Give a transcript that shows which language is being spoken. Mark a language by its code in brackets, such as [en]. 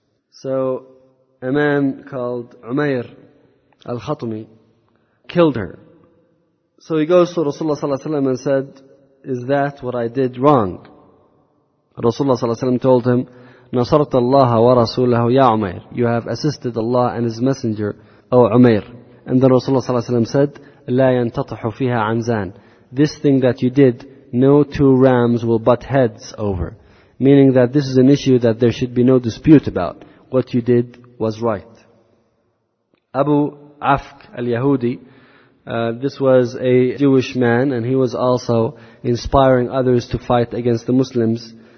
[en] So a man called Umayr al-Khatumi killed her. So he goes to Rasulullah ﷺ and said, is that what I did wrong? Rasulullah ﷺ told him, [ar] نصرت الله ورسوله يا عمير. [en] You have assisted Allah and His Messenger, O Umayr. And then Rasulullah ﷺ said, [ar] لا ينتطح فيها عنزان. [en] This thing that you did, no two rams will butt heads over. Meaning that this is an issue that there should be no dispute about. What you did was right. Abu Afk al-Yahudi, this was a Jewish man, and he was also inspiring others to fight against the Muslims.